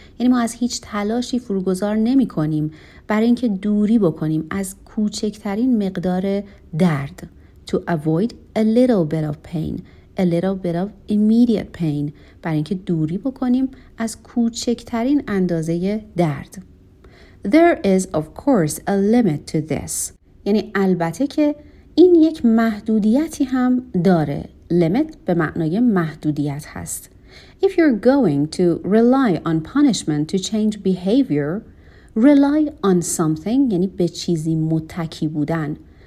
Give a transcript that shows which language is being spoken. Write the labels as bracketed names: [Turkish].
[Persian] یعنی ما از هیچ تلاشی فروگذار نمی کنیم برای اینکه دوری بکنیم از کوچکترین مقدار درد. [English] To avoid a little bit of pain. A little bit of immediate pain. [Persian] برای اینکه دوری بکنیم از کوچکترین اندازه درد. [English] There is of course a limit to this. [Persian] یعنی البته که این یک محدودیتی هم داره. Limit به معنای محدودیت هست. [English] If you're going to rely on punishment to change behavior, rely on something [Persian] یعنی به چیزی متکی بودن.